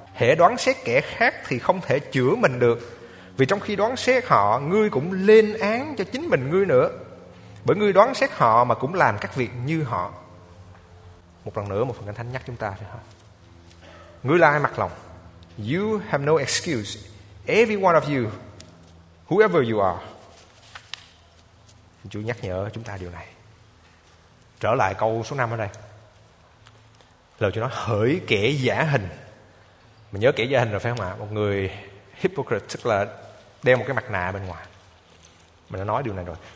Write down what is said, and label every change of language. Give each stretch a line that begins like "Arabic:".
Vietnamese: Hễ đoán xét kẻ khác thì không thể chữa mình được. Vì trong khi đoán xét họ, ngươi cũng lên án cho chính mình ngươi nữa. Bởi ngươi đoán xét họ mà cũng làm các việc như họ. Một lần nữa một phần kinh thánh nhắc chúng ta phải không? Ngươi là ai mặc lòng?
English: You have no excuse. Every one of you, whoever you are.
Vietnamese: Chúa nhắc nhở chúng ta điều này. Trở lại câu số 5 ở đây. Lời Chúa nói, hỡi kẻ giả hình. Mình nhớ kẻ giả hình rồi phải không ạ? Một người hypocrite, tức là đeo một cái mặt nạ bên ngoài. Mình đã nói điều này rồi.